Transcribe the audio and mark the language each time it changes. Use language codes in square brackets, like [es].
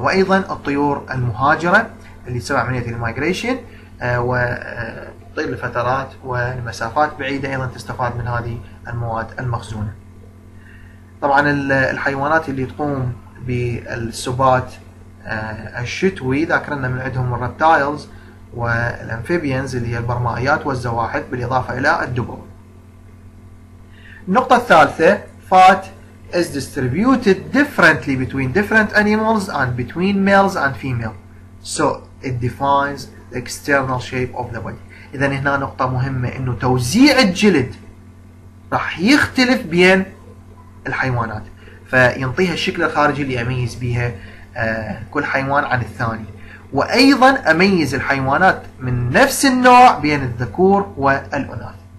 [ar] وايضا الطيور المهاجرة اللي تسمى عملية الميجريشن وطيل الفترات والمسافات بعيدة ايضا تستفاد من هذه المواد المخزونة. طبعا الحيوانات اللي تقوم بالسبات الشتوي ذكرنا من عندهم الربتايلز والامفيبيانز اللي هي البرمائيات والزواحف بالإضافة إلى الدبور. النقطة الثالثة [en] fat is distributed differently between different animals and between males and females so it defines the external shape of the body. [ar] إذن هنا نقطة مهمة إنه توزيع الجلد راح يختلف بين الحيوانات، فينطيها الشكل الخارجي اللي يميز بها كل حيوان عن الثاني، وأيضا أميز الحيوانات من نفس النوع بين الذكور والأناث.